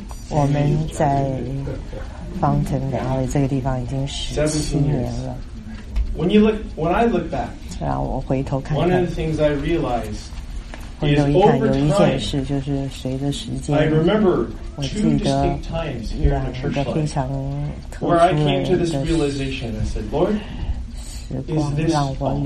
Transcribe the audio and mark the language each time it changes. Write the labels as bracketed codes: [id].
[zh] 我们在Fountain Valley 这个地方已经17年了。 [en] When you look, when I look back, [zh] 让我回头看看。 [en] One of the things I realize is over time. [zh] 回头一看，有一件事就是随着时间。 [en] I remember two distinct times here in a church life. [zh] 非常特殊的。 [en] Where I came to this realization, I said, Lord, is this all?